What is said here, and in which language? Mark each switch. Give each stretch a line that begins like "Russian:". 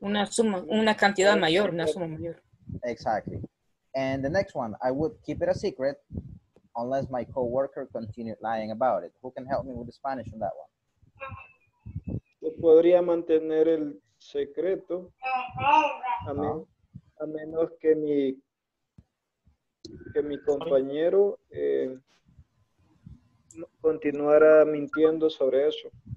Spanish: Una suma, una cantidad mayor, una suma mayor.
English: Exactly. And the next one, I would keep it a secret unless my coworker continued lying about it. Who can help me with the Spanish on that one?
Spanish: Yo podría mantener el secreto a menos que mi compañero continuara mintiendo sobre eso.